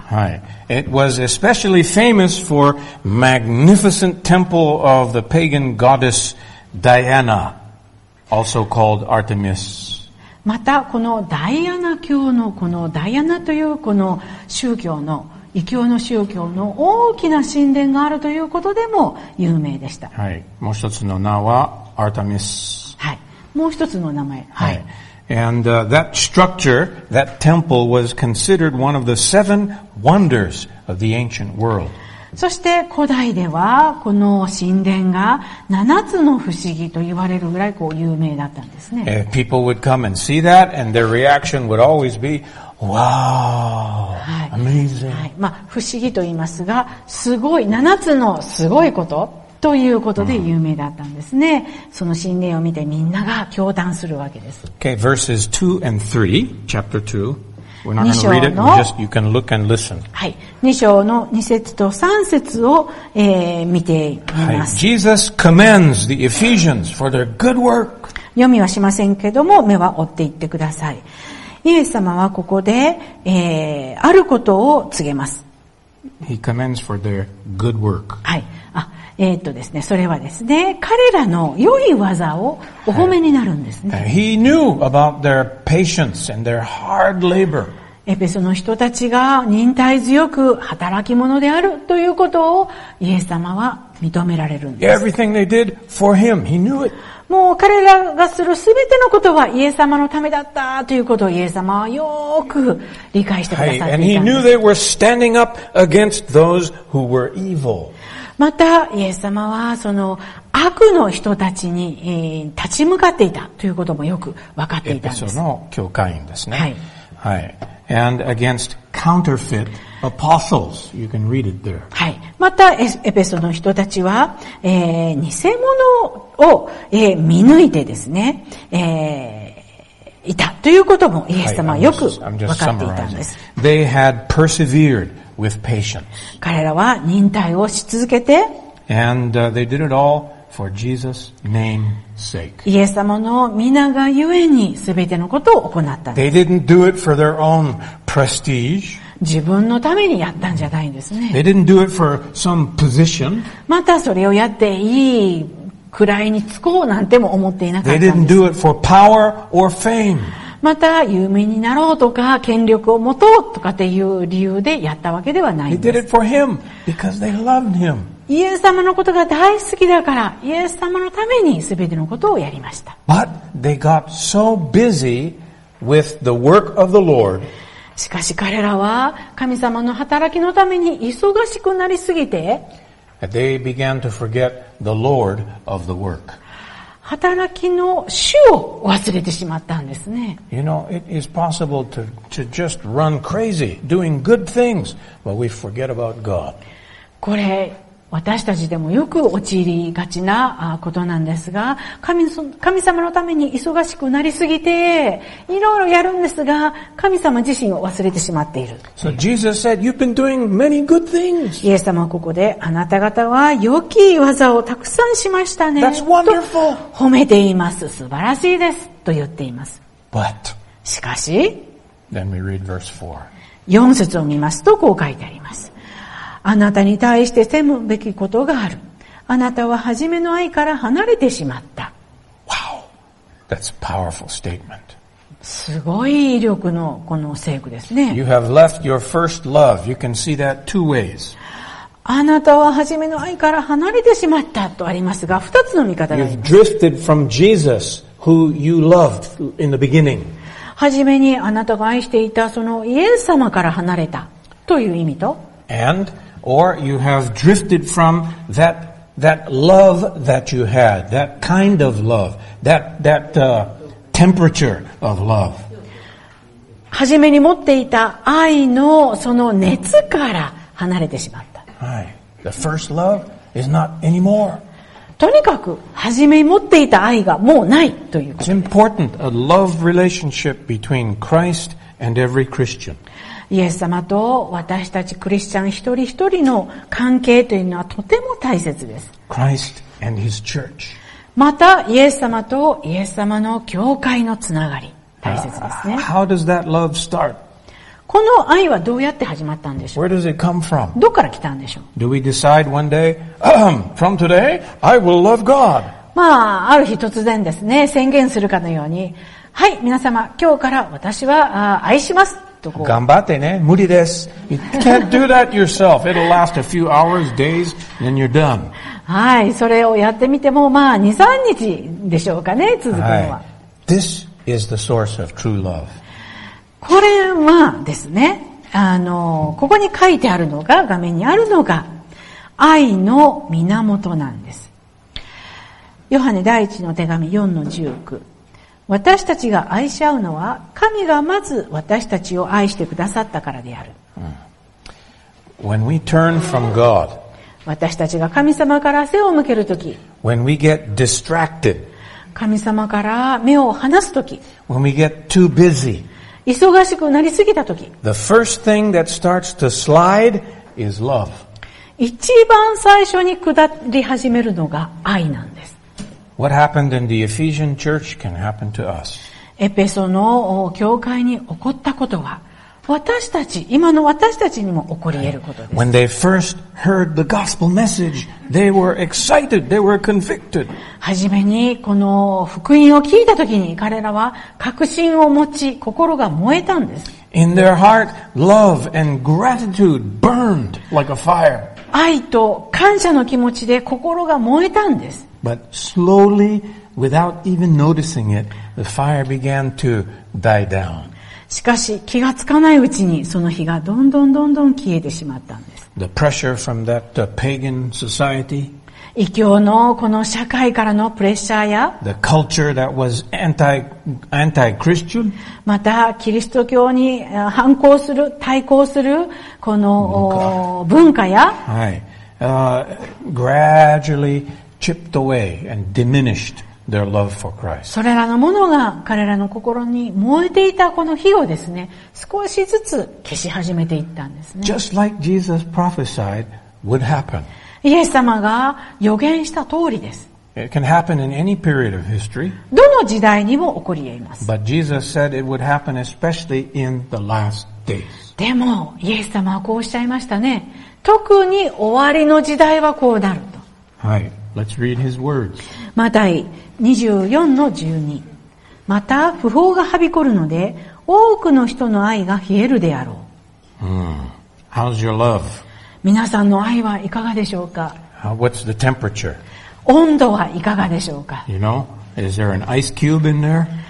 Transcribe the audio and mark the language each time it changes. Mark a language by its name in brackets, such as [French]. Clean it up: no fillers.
[English] はい。It was especially famous for magnificent temple of the pagan goddess Diana, also called Artemis. [Japanese] またこのダイアナ教のこのダイアナというこの宗教の異教の宗教の大きな神殿があるということでも有名でした。はい。もう一つの名はアルテミス。はい。もう一つの名前。はい。はい、 [English] And that structure, that temple was considered one of the seven wonders of the ancient world. [Japanese] そして古代ではこの神殿が七つの不思議と言われるぐらいこう有名だったんですね。 [English] People would come and see that and their reaction would always be, wow, amazing. [Japanese] はい、はい、まあ不思議と言いますが、すごい、七つのすごいこと。ということで有名だったんですね。その神殿を見てみんなが驚嘆するわけです。 [English] Okay, verses 2 and 3, chapter 2. We're not going to read it, just you can look and listen. [Japanese] はい。 2章の2節と3節を、見てみます。はい。 [English] Jesus commends the Ephesians for their good work. [Japanese] 読みはしませんけども、目は追っていってください。イエス様はここで、あることを告げます。 [English] He commends for their good work. [Japanese] はい。ですね、それはですね、彼らの良い技をお褒めになるんですね。 [English] He knew about their patience and their hard labor. [Japanese] エペソの人たちが忍耐強く働き者であるということをイエス様は認められるんです。 [English] Everything they did for him, he knew it. [Japanese] もう彼らがするすべてのことはイエス様のためだったということをイエス様はよく理解してくださっていたんです。 [English] And he knew they were standing up against those who were evil. [Japanese] またイエス様はその悪の人たちに立ち向かっていたということもよく分かっていたんです。エペソの教会員ですね。はい。はい。 [English] And against counterfeit apostles, you can read it there. [Japanese] はい。またエペソの人たちは、偽物を、見抜いてですね、いたということもイエス様はよく分かっていたんです。 [English] They had persevered. With patience. [Japanese] 彼らは忍耐をし続けて、 [English] And, they did it all for Jesus' name's sake. [Japanese] イエス様の皆がゆえに全てのことを行ったんです。 [English] They didn't do it for their own prestige. [Japanese] 自分のためにやったんじゃないんですね。 [English] They didn't do it for some position. [Japanese] またそれをやっていいくらいにつこうなんても思っていなかったんです。 [English] They didn't do it for power or fame. [Japanese] また有名になろうとか権力を持とうとかっていう理由でやったわけではないんです。 [English] They did it for him because they loved him. [Japanese] イエス様のことが大好きだからイエス様のために全てのことをやりました。 [English] But they got so busy with the work of the Lord. [Japanese] しかし彼らは神様の働きのために忙しくなりすぎて [English] They began to forget the Lord of the work. [Japanese] 働きの主を忘れてしまったんですね。 [English] You know, it is possible to just run crazy doing good things, but we forget about God. [Japanese] これ、私たちでもよく陥りがちなことなんですが、神様のために忙しくなりすぎて、いろいろやるんですが、神様自身を忘れてしまっている。 [English] So Jesus said, you've been doing many good things. [Japanese] イエス様はここで、あなた方は良き技をたくさんしましたね。 [English] That's wonderful. [Japanese] 褒めています。素晴らしいです。と言っています。 [English] But, [Japanese] しかし、 [English] then we read verse 4. [Japanese] 4節を見ますと、こう書いてあります。あなたに対して責むべきことがある。あなたは初めの愛から離れてしまった。 [English] Wow. That's a powerful statement. [Japanese] すごい威力のこの聖句ですね。 [English] You have left your first love. You can see that two ways. [Japanese] あなたは初めの愛から離れてしまったとありますが、二つの見方があります。 [English] You've drifted from Jesus, who you loved in the beginning. [Japanese] 初めにあなたが愛していたそのイエス様から離れたという意味と、 [English] And, or you have drifted from that love that you had, that kind of love, that temperature of love. [Japanese] 初めに持っていた愛のその熱から離れてしまった。 [English] はい。The first love is not anymore. [Japanese] とにかく、初めに持っていた愛がもうないということ。 [English] It's important, a love relationship between Christ and every Christian. [Japanese] イエス様と私たちクリスチャン一人一人の関係というのはとても大切です。 [English] Christ and his church. [Japanese] また、イエス様とイエス様の教会のつながり、大切ですね。 [English] How does that love start? [Japanese] この愛はどうやって始まったんでしょう? [English] Where does it come from? [Japanese] どこから来たんでしょう? [English] Do we decide one day, from today, I will love God? [Japanese] まあ、ある日突然ですね、宣言するかのように、はい、皆様、今日から私は愛します。頑張ってね。無理です。 [English] You can't do that yourself. It'll last a few hours, days, then you're done. [Japanese] はい。それをやってみても、まあ、2、3日でしょうかね、続くのは。はい、 [English] This is the source of true love. [Japanese] これはですね、ここに書いてあるのが、画面にあるのが、愛の源なんです。ヨハネ第一の手紙4の19。私たちが愛し合うのは神がまず私たちを愛してくださったからである。 [English] When we turn from God, [Japanese] 私たちが神様から背を向けるとき、 [English] When we get distracted, [Japanese] 神様から目を離すとき、 [English] When we get too busy, [Japanese] 忙しくなりすぎたとき、 [English] The first thing that starts to slide is love. [Japanese] 一番最初に下り始めるのが愛なんです。 [English] What happened in the Ephesian church can happen to us. [Japanese] エペソの教会に起こったことは私たち今の私たちにも起こり得ることです。 [English] When they first heard the gospel message, they were excited, they were convicted. [Japanese] 初めにこの福音を聞いたときに彼らは確信を持ち心が燃えたんです。 [English] In their heart, love and gratitude burned like a fire. [Japanese] 愛と感謝の気持ちで心が燃えたんです。 [English] But slowly, without even noticing it, the fire began to die down. [Japanese] しかし気がつかないうちにその火がどんどんどんどん消えてしまったんです。 [English] The pressure from that pagan society, [Japanese] 異教のこの社会からのプレッシャーや、 [English] the culture that was anti-Christian, [Japanese] またキリスト教に反抗する、対抗するこの文化や、 [English] はい、gradually chipped away and diminished. Their love for Christ. [Japanese] それらのものが彼らの心に燃えていたこの火をですね、少しずつ消し始めていったんですね。 [English] Just like Jesus prophesied would happen. [Japanese] イエス様が予言した通りです。 [English] It can happen in any period of history. [Japanese] どの時代にも起こり得ます。 [English] But Jesus said it would happen especially in the last days. [Japanese] でも、イエス様はこうおっしゃいましたね。特に終わりの時代はこうなると。 [English] はい。Let's read his words. [Japanese] マタイ24-12 また不法がはびこるので多くの人の愛が冷えるであろう、 [English] How's your love? [Japanese] 皆さんの愛はいかがでしょうか、 [English] What's the temperature? [Japanese] 温度はいかがでしょうか、 [English] You know, is there an ice cube in there?